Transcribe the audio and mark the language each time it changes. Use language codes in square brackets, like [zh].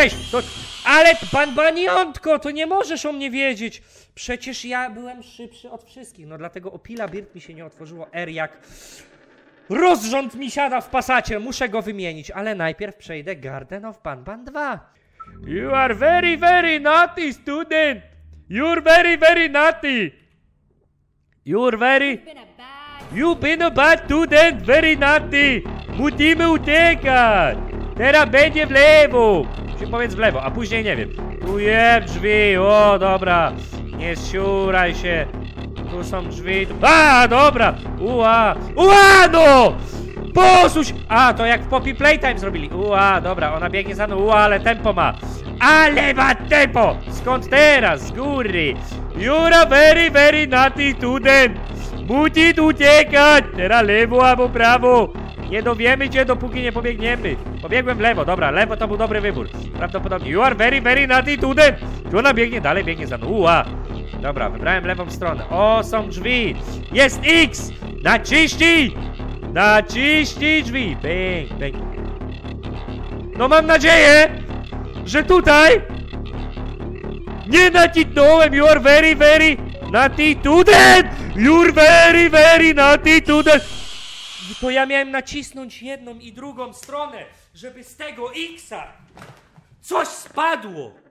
[pl] To, ale banbaniątko, to nie możesz o mnie wiedzieć. Przecież ja byłem szybszy od wszystkich. No dlatego Opilabird mi się nie otworzyło. R jak rozrząd mi siada w pasacie. Muszę go wymienić. Ale najpierw przejdę Garden of Banban 2. [en] You are very, very naughty, student. You're very, very naughty. You're very... You've been a bad student, very naughty! [pl] Musimy uciekać! Teraz będzie w lewo! Czy powiedz w lewo, a później nie wiem. Tu jest drzwi, o dobra! Nie siuraj się! Tu są drzwi, a dobra! Ua no! Posuś! A to jak w Poppy Playtime zrobili! Ua, dobra, ona biegnie za mną, ua, ale tempo ma! Ale ma tempo! Skąd teraz? Z góry! [en] You're a very, very naughty student! [pl] Musisz uciekać! Teraz lewo albo prawo! Nie dowiemy cię, dopóki nie pobiegniemy! Pobiegłem w lewo, dobra, lewo to był dobry wybór. Prawdopodobnie. [en] You are very, very naughty student! [pl] Ona biegnie dalej, biegnie za mną. Ua! Dobra, wybrałem lewą stronę. O, są drzwi! Jest X! Naciśnij! Naciśnij drzwi! Bang, bang. No mam nadzieję, że tutaj... Nie nacisnąłem! [en] You are very, very... Naughty student! You're very, very naughty student! [pl] To ja miałem nacisnąć jedną i drugą stronę, żeby z tego X-a coś spadło!